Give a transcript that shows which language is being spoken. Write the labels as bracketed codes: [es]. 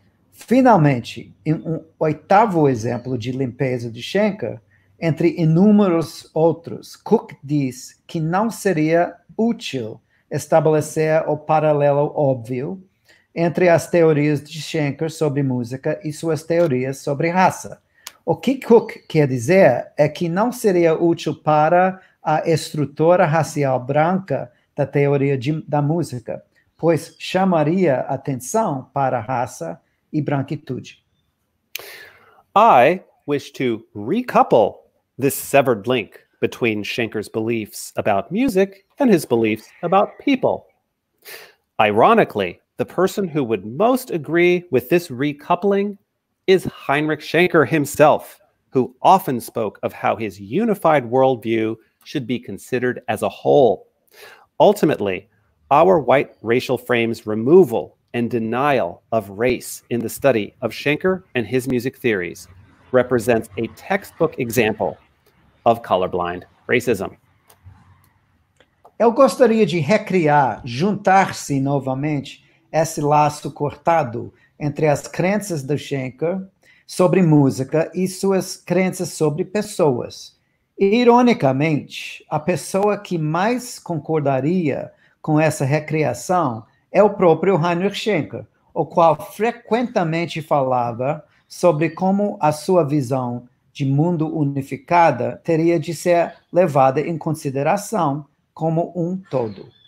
[pt] Finalmente, em um oitavo exemplo de limpeza de Schenker, entre inúmeros outros, Cook diz que não seria útil estabelecer o paralelo óbvio entre as teorias de Schenker sobre música e suas teorias sobre raça. O que Cook quer dizer é que não seria útil para a estrutura racial branca da teoria da música, pois chamaria atenção para raça e branquitude. [en] I wish to recouple this severed link between Schenker's beliefs about music and his beliefs about people. Ironically, the person who would most agree with this recoupling is Heinrich Schenker himself, who often spoke of how his unified worldview should be considered as a whole. Ultimately, our white racial frame's removal and denial of race in the study of Schenker and his music theories represents a textbook example of colorblind racism. [pt] Eu gostaria de recriar, juntar-se novamente, esse laço cortado entre as crenças do Schenker sobre música e suas crenças sobre pessoas. Ironicamente, a pessoa que mais concordaria com essa recriação é o próprio Heinrich Schenker, o qual frequentemente falava sobre como a sua visão de mundo unificada teria de ser levada em consideração como um todo.